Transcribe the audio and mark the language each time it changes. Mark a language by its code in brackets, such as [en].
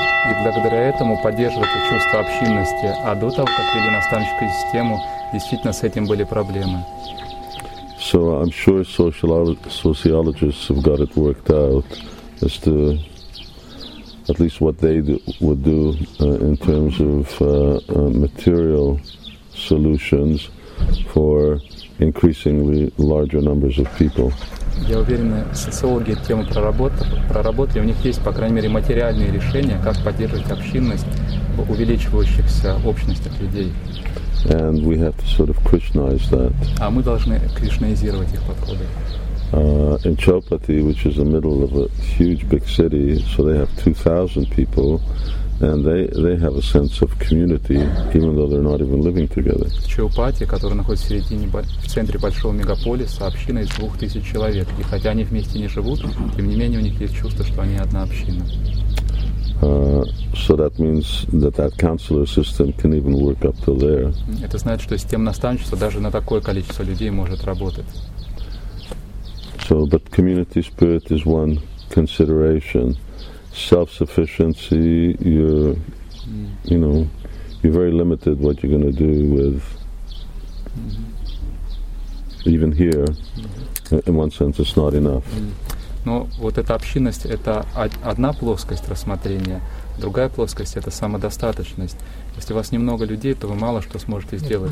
[ru] И благодаря этому поддерживать чувство общинности. А до того, как ввели наставническую систему, действительно с этим были проблемы. [en] So I'm sure sociologists have got it worked out as to at least what they would do in terms of material solutions for increasingly larger numbers of people. [ru] Я уверен, социологи эту тему проработали. У них есть, по крайней мере, материальные решения, как поддерживать общинность в увеличивающихся общностях людей. [en] And we have to sort of Krishnaize that. [ru] А мы должны кришнаизировать их подходы. [en] In Chaupati, which is the middle of a huge big city, so they have 2,000 people, and they have a sense of community, even though they're not even living together. [ru] Чаупати, которая находится в центре большого мегаполиса, община из 2,000 человек. И хотя они вместе не живут, тем не менее у них есть чувство, что они одна община. [en] So that means that counselor system can even work up to there. [ru] Это значит, что система наставничества даже на такое количество людей может работать. [en] So, but community spirit is one consideration. Self-sufficiency, you're very limited what you're going to do with, even here, in one sense, it's not enough. [ru] Но вот эта общинность — это одна плоскость рассмотрения, другая плоскость — это самодостаточность. Если у вас немного людей, то вы мало что сможете сделать.